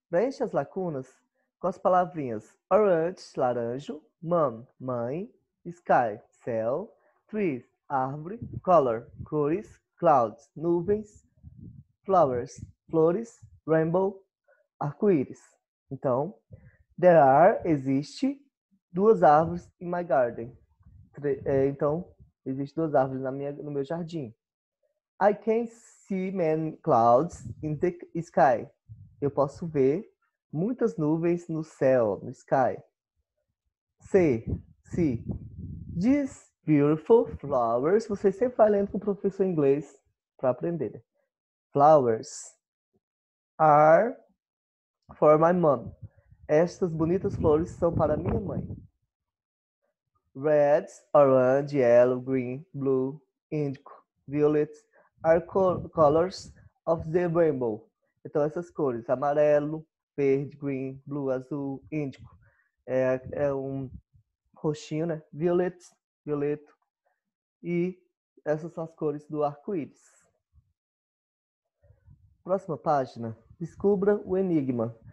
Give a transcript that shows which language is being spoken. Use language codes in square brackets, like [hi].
[pt] Preencha as lacunas com as palavrinhas orange, laranjo, mom, mãe, sky, céu, trees, árvore, color, cores, clouds, nuvens, flowers, flores, rainbow, arco-íris. Então, [en] there are, [pt] existe, duas árvores [en] in my garden. [pt] Então, existem duas árvores no meu jardim. [en] I can see many clouds in the sky. [pt] Eu posso ver muitas nuvens no céu, no sky. [en] See. These beautiful flowers. [pt] Você sempre vai lendo com o professor inglês para aprender. [en] Flowers are for my mom. [pt] Estas bonitas flores são para minha mãe. [en] Red, orange, yellow, green, blue, indigo, violet are colors of the rainbow. [pt] Então, essas cores, amarelo, verde, green, blue, azul, índico, é um roxinho, né? Violeto. E essas são as cores do arco-íris. Próxima página. Descubra o enigma.